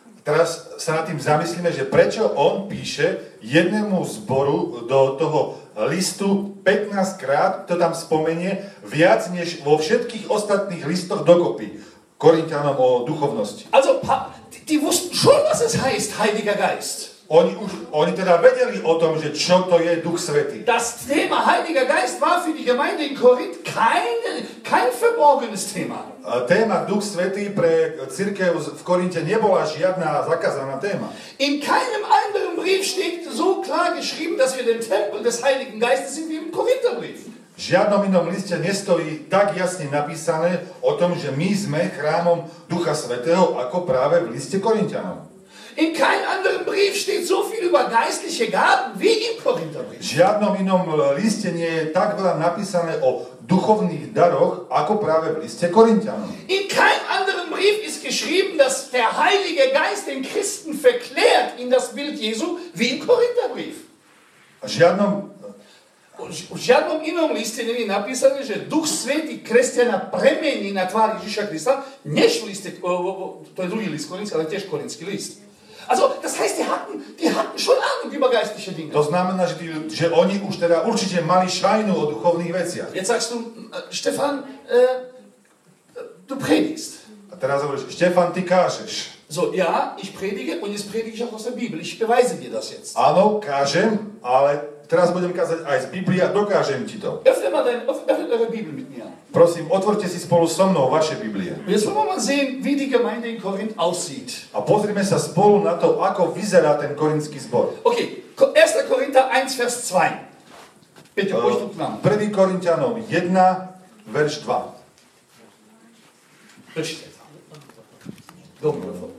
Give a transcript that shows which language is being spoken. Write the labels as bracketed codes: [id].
[sk] Teraz sa nad tým zamyslíme, že prečo on píše jednému zboru do toho listu 15 krát, to tam spomenie, viac než vo všetkých ostatných listoch dokopy. Korintianom o duchovnosti. [de] Also, die wussten schon, was es heißt, Heiliger Geist. [sk] Oni teda vedeli o tom, že čo to je Duch Svätý. [de] Das Thema Heiliger Geist war für die Gemeinde in Korinth kein verborgenes Thema. [sk] Téma Duch Svätý pre cirkev v Korinte nebola žiadna zakázaná téma. [de] In keinem anderen Brief steht so klar geschrieben, dass wir den Tempel des Heiligen Geistes sind wie im Korintherbrief. [sk] V žiadnom inom liste nestojí tak jasne napísané o tom, že my sme chrámom Ducha Svätého, ako práve v liste Korintianom. [de] In kein anderen Brief steht so viel über geistliche Gaben wie im Korintherbrief. [sk] V žiadnom inom liste nie je tak veľa napísané o duchovných daroch, ako práve v liste Korintianom. [de] In kein anderen Brief ist geschrieben, dass der Heilige Geist den Christen verklärt in das Bild Jesu wie im Korintherbrief. [sk] V žiadnom inom liste nie je napísané, že Duch Svätý kresťana premení na tvár Ježiša Krista, než v liste, to je druhý list Korintský, ale tiež Korintský list. [de] Also, das heißt, die hatten schon Ahnung über geistliche Dinge. [sk] To znamená, že oni už teda určite mali šajnu o duchovných veciach. [de] Jetzt sagst du, Stefan, du predigst. [sk] A teraz hovoríš, Stefan, ty kážeš. [de] So, ja, ich predige und jetzt predige ich auch aus der Bibel. Ich beweise dir das jetzt. [sk] Áno, kážem, ale teraz budem kázať aj z Biblie a dokážem ti to. [de] Öffne mal deine Bibel mit mir. [sk] Prosím, otvorte si spolu so mnou vaše Biblie. [de] Jetzt wollen wir mal sehen, wie die Gemeinde in Korinth aussieht. [sk] A pozrime sa spolu na to, ako vyzerá ten korinský zbor. [de] OK, 1. Korinther 1, Vers 2. [sk] Peťo, poď tu k nám. 1. Korintianom 1, verš 2. Prečte. Dobre.